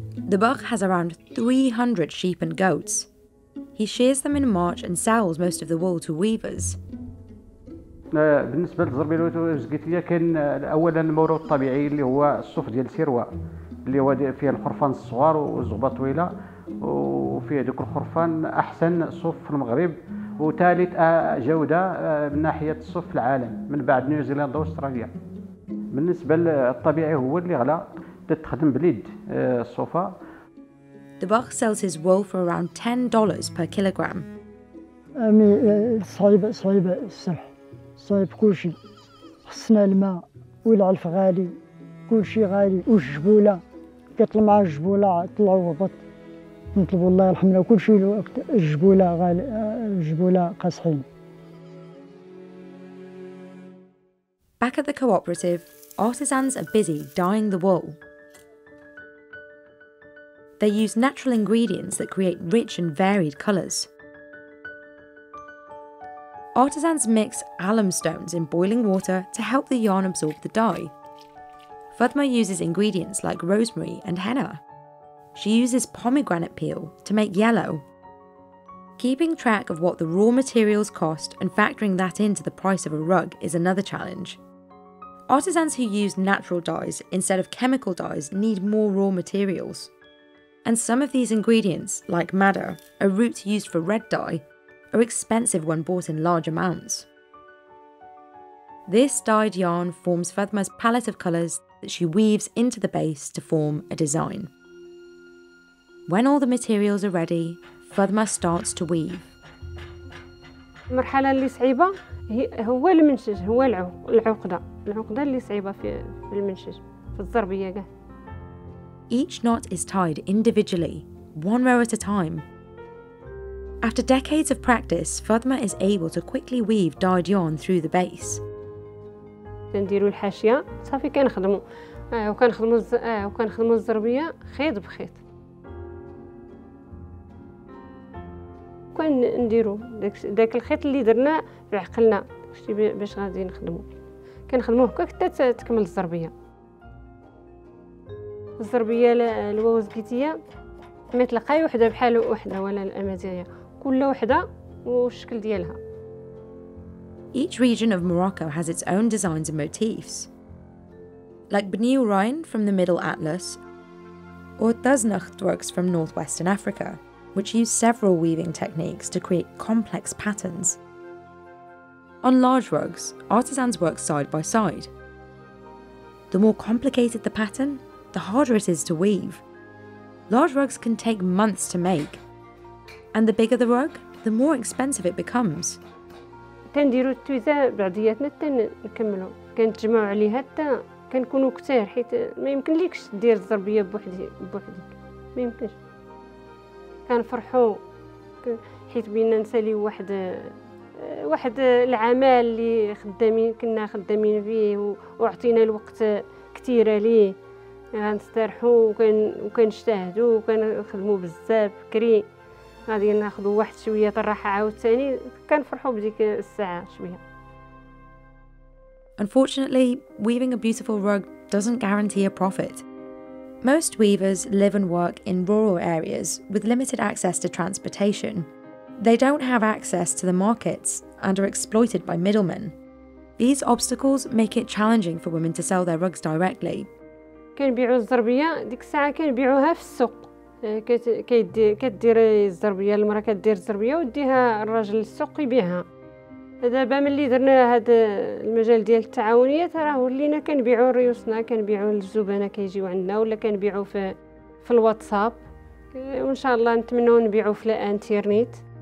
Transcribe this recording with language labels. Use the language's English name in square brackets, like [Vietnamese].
[English] The Bach has around 300 sheep and goats. He shears them in March and sells most of the wool to weavers. [Arabic] بالنسبة للزرب الوزقتية كان أولا المورو الطبيعي اللي هو الصوف ديال السروة اللي هو فيه الخرفان الصغار والزغبة طويلة وفيه ديك الخرفان أحسن صوف في المغرب وثالث جودة من ناحية الصوف في العالم من بعد نيوزيلندا وأستراليا. بالنسبة للطبيعي هو اللي غلا تتخدم باليد الصوفة. [English] The Bach sells his wool for around $10 per kilogram. [Arabic] صعيبة السرح صعيب كل شيء خصنا الماء والعلف غالي كل شيء غالي والجبولة كيطلع مع الجبولة طلعوا هبط نطلبوا الله يرحمنا كل شيء الجبولة غالي الجبولة قاصحين. [English] Back at the cooperative, artisans are busy dyeing the wool. They use natural ingredients that create rich and varied colours. Artisans mix alum stones in boiling water to help the yarn absorb the dye. Fatma uses ingredients like rosemary and henna. She uses pomegranate peel to make yellow. Keeping track of what the raw materials cost and factoring that into the price of a rug is another challenge. Artisans who use natural dyes instead of chemical dyes need more raw materials. And some of these ingredients, like madder, a root used for red dye, are expensive when bought in large amounts. This dyed yarn forms Fatma's palette of colours that she weaves into the base to form a design. When all the materials are ready, Fatma starts to weave. [Arabic] المرحلة اللي صعيبة هو المنشج هو العقدة العقدة اللي صعيبة في المنشج في الزربية. [English] Each knot is tied individually, one row at a time. After decades of practice, Fatma is able to quickly weave dyed yarn through the base. [Arabic] كنديروا الحاشية صافي كنخدموا وكنخدموا الزربية خيط بخيط كنديروا داك الخيط اللي درنا في عقلنا شتي باش غادي نخدموا كنخدموه هكا حتى تكمل الزربية الزربية الوزقتية ما تلقاي وحدة بحال وحدة ولا الأمازيغية كل وحدة والشكل ديالها. [English] Each region of Morocco has its own designs and motifs. Like Bnil Rayn from the Middle Atlas, or Dasnacht rugs from northwestern Africa, which use several weaving techniques to create complex patterns. On large rugs, artisans work side by side. The more complicated the pattern, the harder it is to weave. Large rugs can take months to make, And the bigger the rug, the more expensive it becomes. [Arabic] كنديروا التويزه بعضياتنا حتى نكملوا كنتجمعوا عليها حتى كنكونوا كثار حيت ما يمكن ليكش دير الزربيه بوحدك ما يمكنش كنفرحوا حيت بينا نسالي واحد العمل اللي كنا خدامين فيه وعطينا الوقت كثير ليه غنسترحوا وكنجتهدوا وكنخدموا بزاف بكري غادي ناخذ واحد شويه الراحه عاوتاني كنفرحوا بديك الساعه شويه. [English] Unfortunately, weaving a beautiful rug doesn't guarantee a profit. Most weavers live and work in rural areas with limited access to transportation. They don't have access to the markets and are exploited by middlemen. These obstacles make it challenging for women to sell their rugs directly. [Arabic] كنبيعوا الزربيه ديك الساعه كنبيعوها في السوق كدير الزربيه المراه كدير الزربيه وديها الراجل للسوق يبيعها. دابا ملي درنا هذا المجال ديال التعاونيه راه ولينا كنبيعوا ريوسنا كنبيعوا للزبانه كيجيو عندنا ولا كنبيعوا في الواتساب وان شاء الله نتمنوا نبيعوا في الانترنت.